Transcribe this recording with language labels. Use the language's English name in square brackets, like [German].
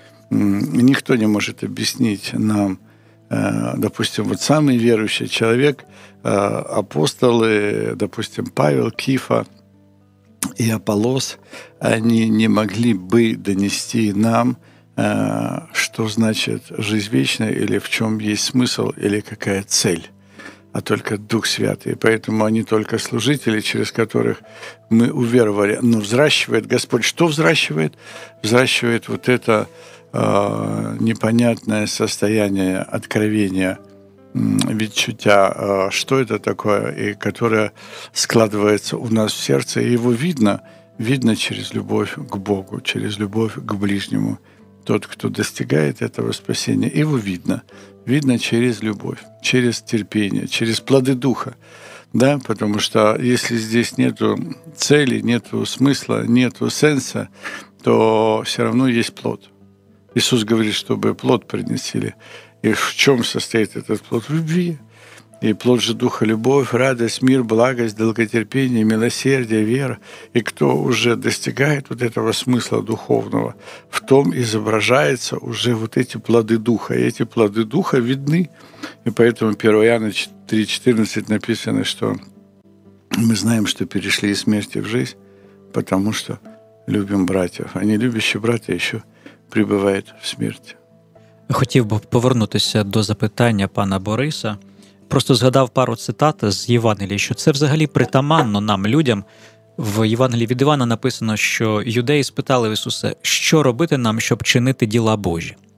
[Russian] Никто не может объяснить нам, допустим, вот самый верующий человек, апостолы, допустим, Павел, Кифа и Аполлос, они не могли бы донести нам, что значит жизнь вечная, или в чем есть смысл, или какая цель, а только Дух Святый. Поэтому они только служители, через которых мы уверовали. Но взращивает Господь. Что взращивает? Взращивает вот это непонятное состояние откровения, [Ukrainian] відчуття, що це таке, і яке складається у нас в серці, і його видно, видно через любов к Богу, через любов к ближньому. Тот, хто достигає цього спасіння, його видно. Видно через любов, через терпіння, через плоди Духа. [Russian] Да? Потому что если здесь нету цели, нету смысла, нету сенса, то все равно есть плод. Иисус говорит, чтобы плод принесли. И в чем состоит этот плод? В любви. і плод же духа, любов, радость, мир, благость, долготерпение, милосердие, вера. И кто уже достигает вот этого смысла духовного, в том изображаются уже вот эти плоды духа. И эти плоды духа видны. И поэтому 1 Иоанна 3,14 написано, что мы знаем, что перешли из смерти в жизнь, потому что любим братьев. А нелюбящие братья еще пребывают в смерти. [Ukrainian] Хотів би повернутися до запитання пана Бориса. Просто згадав пару цитат з Євангелії, що це взагалі притаманно нам, людям. В Євангелії від Івана написано, що юдеї спитали Ісуса, що робити нам, щоб чинити діла Божі.